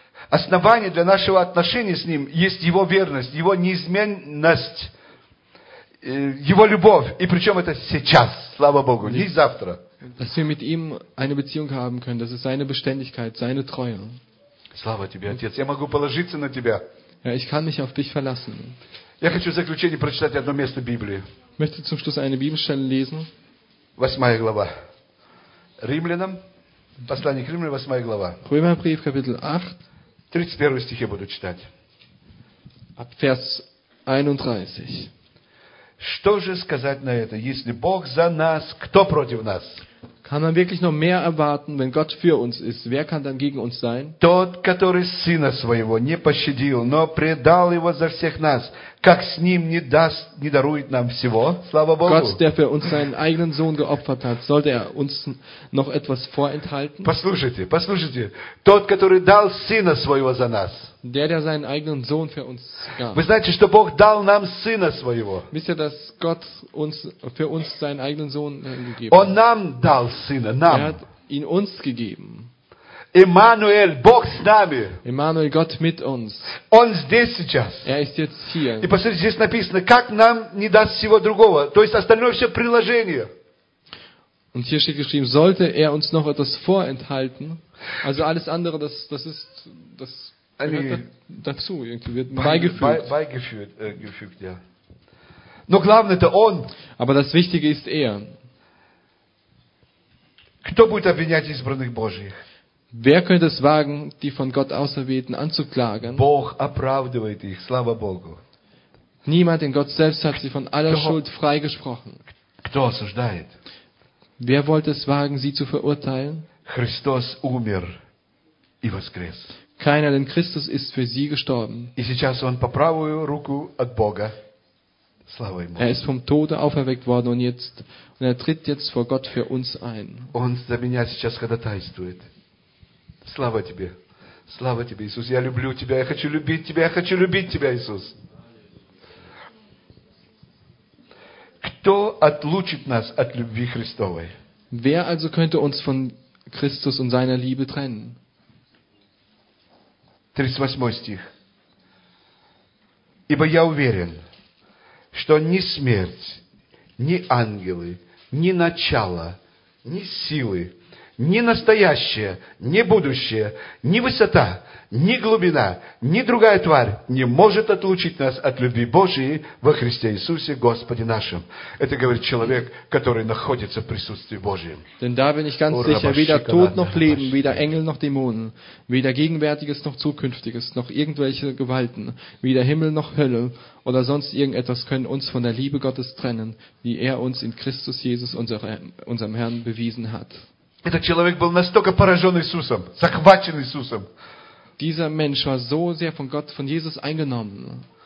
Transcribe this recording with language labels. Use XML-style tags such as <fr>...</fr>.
<ru>Основание для нашего отношения с Ним есть Его верность, Его неизменность, Его любовь. И причем это сейчас, слава Богу, не завтра.</ru> <de>Dass wir mit ihm eine Beziehung haben können, das ist seine Beständigkeit, seine Treue.</de> <ru>Слава тебе, Отец, я могу положиться на тебя.</ru> <de>Ja, ich kann mich auf dich verlassen.</de> <ru>Я хочу в заключение прочитать одно место Библии.</ru> <de>Möchte zum Schluss eine Bibelstelle lesen?</de> <ru>8 глава. Римлянам. Послание к Римлянам, 8 глава.</ru> <de>Römerbrief, Kapitel 8.</de> <ru>31 стих я буду читать.</ru> <de>Ab Vers 31.</de> <ru>Что же сказать на это? Если Бог за нас, кто против нас?</ru> <de>Kann man wirklich noch mehr erwarten, wenn Gott für uns ist? Wer kann dann gegen uns sein?</de> <ru>Тот, который Сына Своего не пощадил, но предал Его за всех нас, как с Ним не даст, не дарует нам всего? Слава Богу!</ru> <de>Gott, der für uns seinen eigenen Sohn geopfert hat, sollte er uns noch etwas vorenthalten?</de> <ru>Послушайте. Тот, который дал Сына Своего за нас.</ru> <de>Der seinen eigenen Sohn für uns gab.</de> <ru>Вы знаете, что Бог дал нам Сына Своего.</ru> <de>Wisst ihr, dass Gott uns für uns seinen eigenen Sohn gegeben hat?</de> <ru>Он нам дал Сына, нам.</ru> <de>Er hat ihn uns gegeben.</de> <ru>Эммануэл, Бог с нами.</ru> <de>Эммануэл, Gott mit uns.</de> <ru>Он здесь сейчас.</ru> <de>Er ist jetzt hier.</de> <ru>И посмотрите, здесь написано, как нам не даст всего другого. То есть остальное все приложение.</ru> <de>Und hier steht geschrieben, sollte er uns noch etwas vorenthalten. Also alles andere, das ist das. Dazu irgendwie wird beigefügt,</de> <ru>ja. Но главное это он.</ru> <de>Aber das Wichtige ist er.</de> <ru>Кто будет обвинять избранных Божьих?</ru> <de>Wer könnte es wagen, die von Gott Auserwählten anzuklagen?</de> <ru>Бог оправдывает их, слава Богу.</ru> <de>Niemand, denn Gott selbst hat sie von aller Schuld freigesprochen.</de> <ru>Кто осуждает?</ru> <de>Wer wollte es wagen, sie zu verurteilen?</de> <ru>Христос умер и воскрес.</ru> <de>Keiner, denn Christus ist für sie gestorben.</de> <ru>И сейчас он по правую руку от Бога. Слава ему.</ru> <de>Er ist vom Tode auferweckt worden und jetzt und er tritt jetzt vor Gott für uns ein.</de> <ru>Он за меня сейчас ходатайствует. Слава тебе. Слава тебе, Иисус. Я люблю тебя. Я хочу любить тебя. Я хочу любить тебя, Иисус. Кто отлучит нас от любви Христовой?</ru> <de>Wer also könnte uns von Christus und seiner Liebe trennen?</de> <ru>38 стих. Ибо я уверен, что ни смерть, ни ангелы, ни начало, ни силы, ни настоящее, ни будущее, ни высота, ни глубина, ни другая тварь не может отлучить нас от любви Божией во Христе Иисусе, Господе нашем. Это говорит человек, который находится в присутствии Божьем.</ru> <de>Denn da bin ich ganz sicher, weder Tod noch Leben, weder Engel noch Dämonen, weder Gegenwärtiges noch Zukünftiges, noch irgendwelche Gewalten, weder Himmel noch Hölle oder sonst irgendetwas können uns von der Liebe Gottes trennen, die er uns in Christus Jesus, unserem Herrn, bewiesen hat.</de> <ru>Этот человек был настолько поражен Иисусом, захвачен Иисусом.</ru> <de>Dieser Mensch war so sehr von Gott, von Jesus eingenommen.</de>